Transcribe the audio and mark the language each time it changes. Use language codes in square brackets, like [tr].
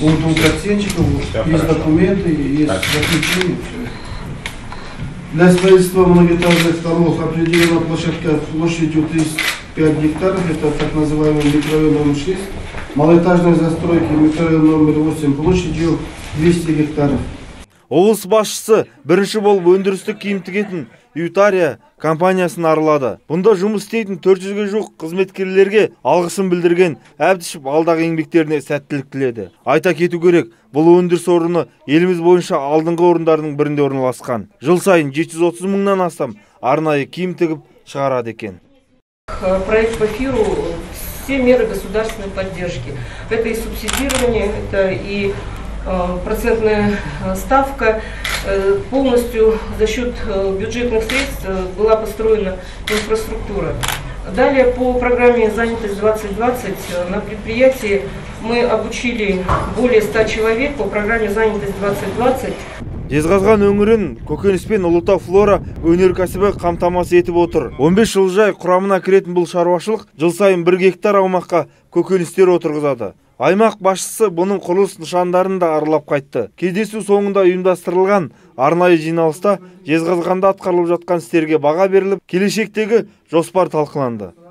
[kk] У двух оценщиков есть документы, есть заключение. Для строительства многоэтажных домов определена площадка площадью 35 гектаров, это так называемый микрорайон номер 6. Малоэтажной застройки микрорайон номер 8 площадью 200 гектаров. Облыс басшысы бірінші болып өндірістік киім тігетін Ютария компаниясын аралады. Бұнда жұмыс істейтін 400-ге жуық қызметкерлерге алғысын білдірген Әбдішев алдағы еңбектеріне сәттілік тіледі. Айта кету керек, бұл өндіріс орны еліміз бойынша алдыңғы орындардың бірінде орналасқан. Жыл сайын 730 мыңнан астам арнайы киім тігіп шығарады екен. [ru] Проект по фиру все меры государственной поддержки. Это и субсидирование, это и процентная ставка полностью за счет бюджетных средств была построена инфраструктура. Далее по программе «Занятость 2020» на предприятии мы обучили более 100 человек по программе «Занятость 2020». [kk] Жезқазған өңірін көкөніс пен ұлытау флора өнеркәсібі қамтамасыз етіп отыр. 15 жыл жай құрамына кіретін бұл шаруашылық жыл сайын 1 гектар аумаққа көкөністер отырғызады. Аймақ басшысы бұның құрылыс нышандарын да аралап қайтты. Кездесу соңында ұйымдастырылған арнайы жиналыста Жезқазғанда атқарылып жатқан істерге баға беріліп, келешектегі жоспар талқыланды.